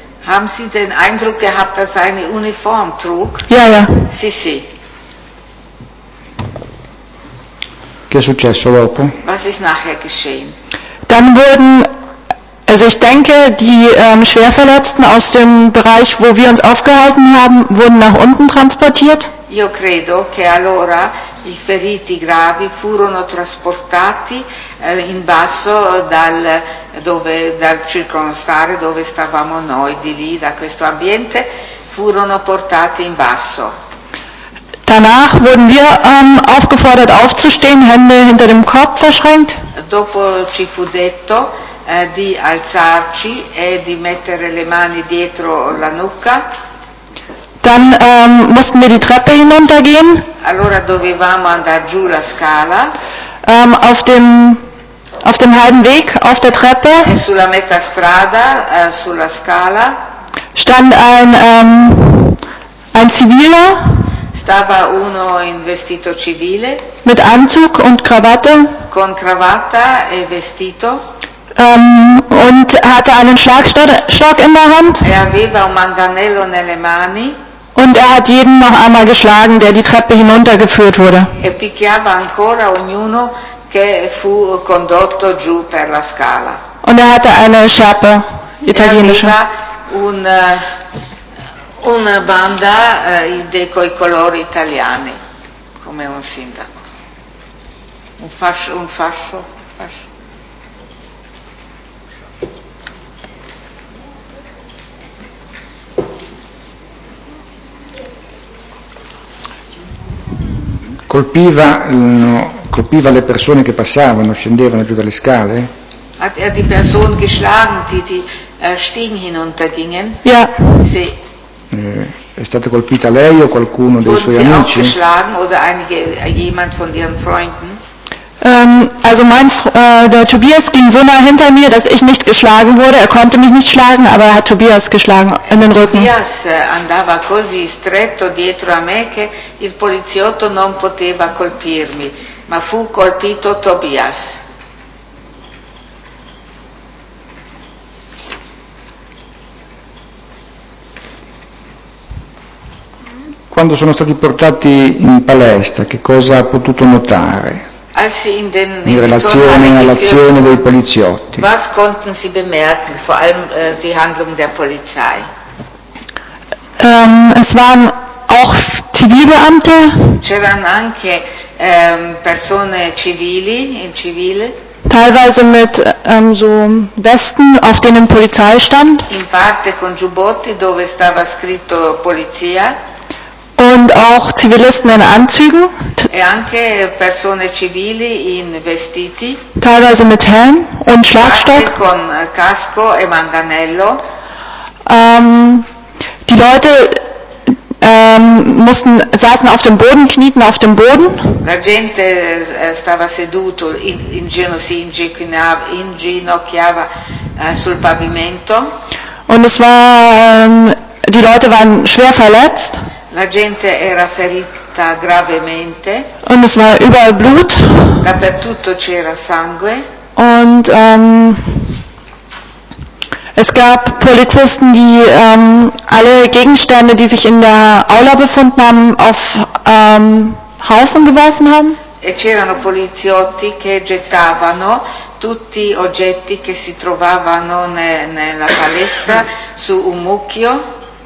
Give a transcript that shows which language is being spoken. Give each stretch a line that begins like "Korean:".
German: Haben Sie den Eindruck gehabt, dass er eine Uniform trug? Ja, ja.
Italian: Sì, sì. Che è successo dopo?
German: Was ist nachher geschehen? Dann wurden, also ich denke, die Schwerverletzten aus dem Bereich, wo wir uns aufgehalten haben, wurden nach unten transportiert.
Italian: Io credo che allora i feriti gravi furono trasportati in basso dal circonstare dove stavamo noi, di lì, da questo ambiente, furono portati in basso.
German: Danach wurden wir aufgefordert aufzustehen, Hände hinter dem Kopf verschränkt.
Italian: Dopo ci fu detto di alzarci e di mettere le mani dietro la nucca.
German: Dann mussten wir die Treppe hinuntergehen.
Italian: Allora dovevamo andare giù la scala.
German: Auf dem halben Weg auf der Treppe.
Italian: E sulla metà strada sulla scala.
German: Stand ein Ziviler.
Italian: Stava uno in vestito civile.
German: Mit Anzug und Krawatte.
Italian: Con cravatta e vestito.
German: Und hatte einen Schlagstock in der Hand.
Italian: E aveva un manganello nelle mani.
German: Und er hat jeden noch einmal geschlagen, der die Treppe hinuntergeführt wurde.
Italian: E picchiava ancora ognuno che fu condotto giù per la scala.
German: Und er hatte eine Schärpe, italienische.
Italian: E aveva una banda coi colori italiani, come un sindaco. Un fascio. Colpiva le persone che passavano, scendevano giù dalle scale?
German: Hat er die Person geschlagen, die stiegen hinunter gingen? Ja.
Italian: Sì. È stata colpita lei o qualcuno dei suoi amici?
German: Wurden sie geschlagen oder jemand von ihren Freunden? Der Tobias ging so nah hinter mir, dass ich nicht geschlagen wurde. Er konnte mich nicht schlagen, aber er hat Tobias geschlagen in den Rücken.
Italian: Tobias andava così stretto dietro a me che il poliziotto non poteva colpirmi, ma fu colpito Tobias. Quando sono stati portati in palestra, che cosa ha potuto notare? In relazione all'azione dei poliziotti.
German: Was konnten Sie bemerken, vor allem die Handlung der Polizei? Es waren auch Zivilbeamte.
Italian: C'erano anche persone civili, in civile.
German: Teilweise mit so Westen, auf denen Polizei stand.
Italian: In parte con giubbotti dove stava scritto polizia.
German: Und auch Zivilisten in Anzügen.
Italian: E anche persone civili in vestiti.
German: Teilweise mit Helm und Schlagstock.
Italian: Parte con casco e manganello.
German: Die Leute saßen auf dem Boden, knieten auf dem Boden.
Italian: La gente stava seduto, inginocchiava sul pavimento.
German: Und es war, die Leute waren schwer verletzt.
Italian: La gente era ferita gravemente.
German: Und es war überall Blut.
Italian: Dappertutto c'era sangue.
German: Und es gab Polizisten, die alle Gegenstände, die sich in der Aula befunden haben, auf Haufen geworfen haben.
Italian: E c'erano poliziotti che gettavano tutti oggetti che si trovavano nella palestra su un mucchio.